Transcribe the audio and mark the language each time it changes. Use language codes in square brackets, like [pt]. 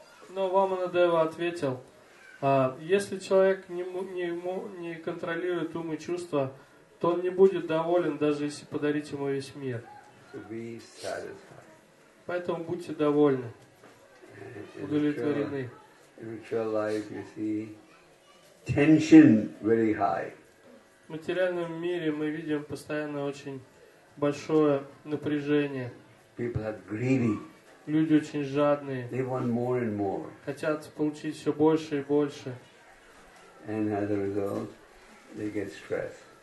[ru] Но Ваманадева ответил, если человек не контролирует ум и чувства, то он не будет доволен, даже если подарить ему весь мир. [en] Be satisfied. [ru] Поэтому будьте довольны, удовлетворены. [en] In material life, you see tension very high. [ru] В материальном мире мы видим постоянно очень большое напряжение. [en] People are greedy. [ru] Люди очень жадные. [en] They want more and more. [ru] Хотят получить все больше и больше. [en] And as a result, they get stress.